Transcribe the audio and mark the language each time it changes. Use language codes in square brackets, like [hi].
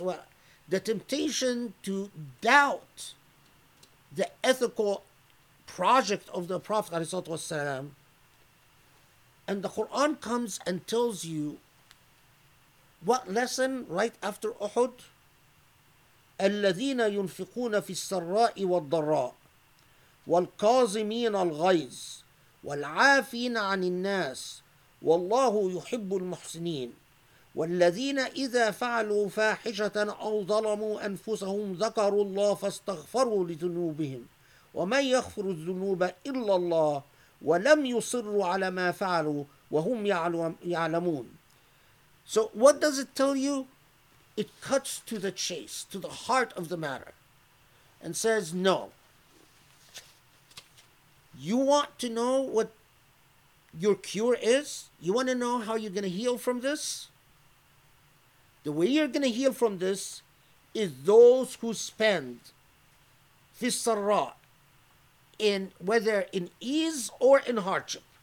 [en] Well, the temptation to doubt the ethical project of the Prophet ﷺ, and the Quran comes and tells you what lesson right after Uhud? [ar] الَّذِينَ يُنْفِقُونَ فِي السَّرَّاءِ وَالضَّرَّاءِ وَالْكَاظِمِينَ الْغَيْظِ وَالْعَافِينَ عَنِ النَّاسِ وَاللَّهُ يُحِبُّ الْمُحْسِنِينَ والذين إذا فعلوا فاحشة أو ظلموا أنفسهم ذكروا الله فاستغفروا لذنوبهم ومن يغفر الذنوب إلا الله ولم يصروا على ما فعلوا وهم يعلمون. [en] So what does it tell you? It cuts to the chase, to the heart of the matter, and says, no. You want to know what your cure is? You want to know how you're going to heal from this? The way you're going to heal from this is those who spend fi sarra, in whether in ease or in hardship.